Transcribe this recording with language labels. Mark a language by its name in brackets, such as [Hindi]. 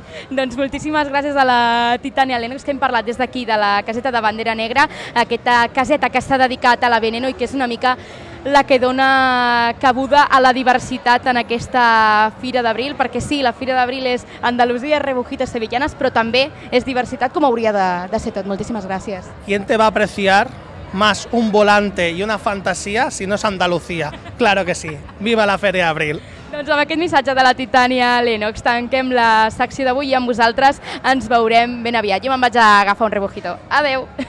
[Catalan] Doncs moltíssimes gràcies a la Titània Lennox, que hem parlat des d'aquí de la caseta de Bandera Negra, aquesta caseta que està dedicada a la Veneno i que és una mica la que dona cabuda a la diversitat en aquesta Fira d'Abril, perquè sí, la Fira d'Abril és Andalusia, rebujitos sevillanes, però també és diversitat com hauria de ser tot. Moltíssimes gràcies. [Spanish] ¿Quién te va a apreciar más un volante y una fantasía si no es Andalucía? Claro que sí. Viva la Fira d'Abril. [Catalan] Doncs amb aquest missatge de la Titània Lennox tanquem la secció d'avui i amb vosaltres ens veurem ben aviat. Jo me'n vaig a agafar un rebujito. Adeu!